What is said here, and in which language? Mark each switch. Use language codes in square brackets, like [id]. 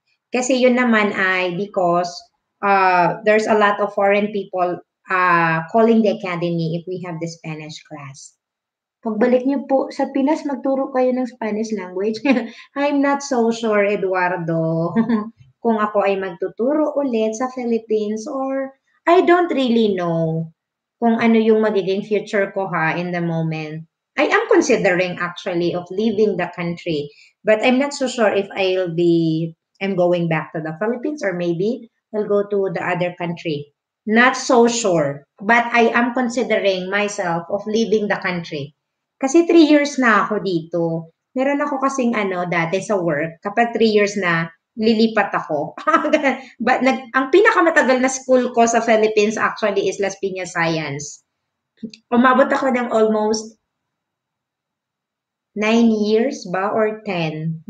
[tl] Kasi yun naman ay [en] because there's a lot of foreign people calling the academy if we have the Spanish class. [tl] Pagbalik niyo po sa Pinas, magturo kayo ng Spanish language. [en] I'm not so sure, Eduardo, [tl] kung ako ay magtuturo ulit sa [en] Philippines or I don't really know [tl] kung ano yung magiging [en] future [tl] ko ha [en] in the moment. I am considering actually of leaving the country, but I'm not so sure if I'm going back to the Philippines or maybe I'll go to the other country. Not so sure, but I am considering myself of leaving the country. [tl] Kasi 3 years na ako dito. Meron ako kasing ano dati sa work, kapag 3 years na, lilipat ako. But ang pinakamatagal na school ko sa Philippines [en] actually is [tl] Las Piñas Science. Umabot ako ng almost 9 years ba or 10?